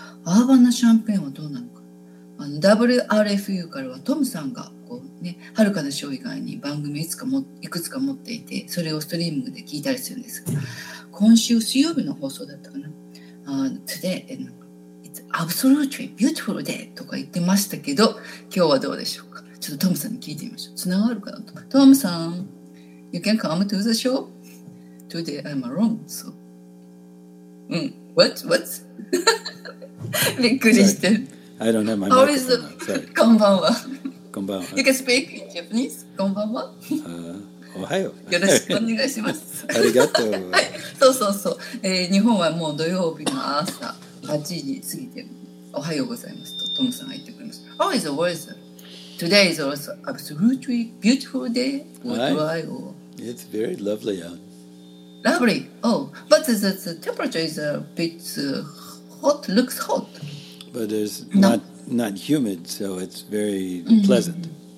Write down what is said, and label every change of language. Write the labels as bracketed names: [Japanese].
[Japanese] アーバナシャンペーンはどうなのか。WRFU からはトムさんがはるかな章以外に番組いくつか持っていて、それをストリームで聞いたりするんですが、今週水曜日の放送だったかな、 [English] Today It's absolutely beautiful day [Japanese] とか言ってましたけど、今日はどうでしょうか。ちょっとトムさんに聞いてみましょう。つながるかなと。 [English] トムさん、 You can come to the show Today I'm alone、 so. What? [Japanese] びっくりして。 [English] I don't have my microphone. How is the... [Japanese] こんばんは。こんばんは。 You can speak in Japanese? こんばんは。おはよう。よろしくお願いします。ありがとう。はい、そうそうそう、日本はもう土曜日の朝8時過ぎて、おはようございますとトムさんが言ってくれました。 [English] How is the weather? Today is also absolutely beautiful day. Why? It's very lovely out. Lovely? Oh, but the temperature is a bit hot, looks hot. But there's not... not humid, so it's very pleasant.